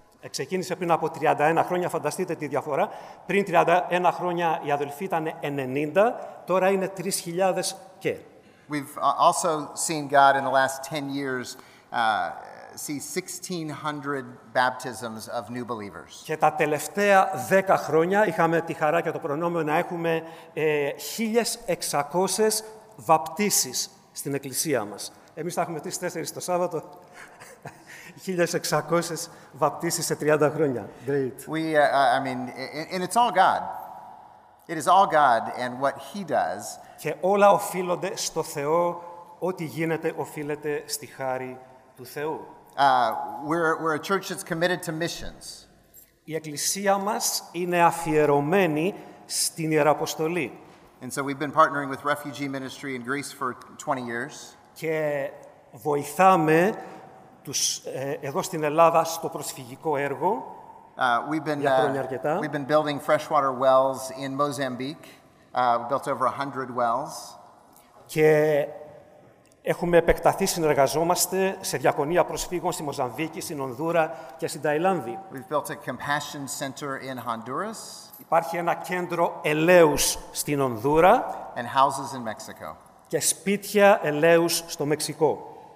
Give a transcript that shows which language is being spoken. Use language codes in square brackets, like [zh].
[el] Ξεκίνησε πριν από 31 χρόνια, φανταστείτε τη διαφορά. Πριν 31 χρόνια οι αδελφοί ήταν 90, τώρα είναι 3,000 και. [en] We've also seen God in the last 10 years see 1,600 baptisms of new believers. [el] Και τα τελευταία 10 χρόνια είχαμε τη χαρά και το προνόμιο να έχουμε 1,600 βαπτίσεις στην εκκλησία μας. Εμείς θα έχουμε 3-4 το Σάββατο. 1,600 βαπτίσεις σε 30 χρόνια. [en] Great. And it's all God. It is all God and what He does. [el] Και όλα οφείλονται στο Θεό, ό,τι γίνεται οφείλεται στη χάρη του Θεού. [en] We're a church that's committed to missions. [el] Η εκκλησία μας είναι αφιερωμένη στην Ιεραποστολή. [en] And so we've been partnering with Refugee Ministry in Greece for 20 years. [el] Και βοηθάμε τους εδώ στην Ελλάδα στο προσφυγικό έργο. [en] We've been building freshwater wells in Mozambique. Built over 100 wells. [el] Και έχουμε επεκταθεί, συνεργαζόμαστε σε διακονία προσφύγων στη Μοζαμβίκη, στην Ονδούρα και στην Ταϊλάνδη. [en] We've built a compassion center in Honduras. [el] Υπάρχει ένα κέντρο ελέους στην Ονδούρα. [en] And houses in Mexico. [el] Και σπίτια ελέους στο Μεξικό.